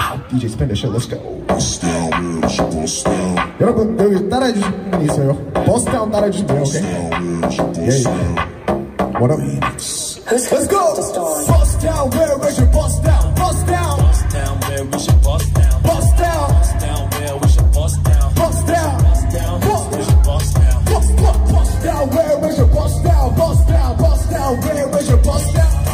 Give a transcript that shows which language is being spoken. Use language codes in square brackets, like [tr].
[en] DJ 스펜더쇼, let's go. Bust down, bitch, bust down. [ko] 여러분, 여기 따라해 주실 분 있어요? Bust down 따라해 주시면 돼요, 오케이? [en] Bust down, bitch, bust down. Yeah, yeah. What up? Let's go! Bust down, where we should bust down. Bust down. Bust down, where we should bust down. Bust down. Bust down, where we should bust down. Bust down. Bust down, where we should bust down. Bust down. Bust down, where we should bust down. Bust down. Bust down, where we should bust down. Bust down. Bust down, where we should bust down.